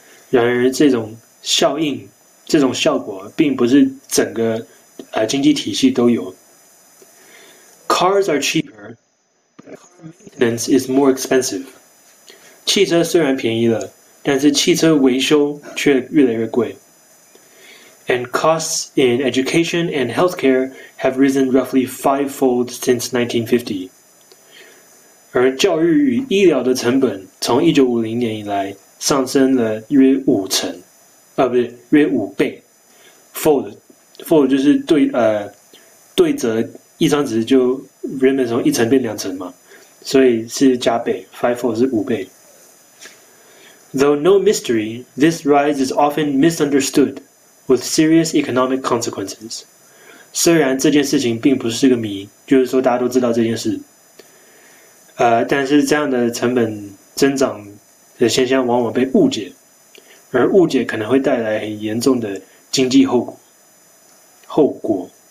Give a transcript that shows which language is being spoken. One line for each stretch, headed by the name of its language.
Chinese: 然而，这种效果并不是整个经济体系都有。
English: Cars are cheaper, maintenance is more expensive。
Chinese: 汽车虽然便宜了，但是汽车维修却越来越贵。
English: And costs in education and healthcare have risen roughly fivefold since 1950。
Chinese: 而教育与医疗的成本从1950年以来上升了约5成，不是约5倍，fold 就是对折，一张纸就原本从1层变2层嘛，所以是加倍，fivefold 是5倍。
English: Though no mystery, this rise is often misunderstood with serious economic consequences。
Chinese: 虽然这件事情并不是个谜，就是说大家都知道这件事。但是这样的成本增长的现象往往被误解，而误解可能会带来很严重的经济后果。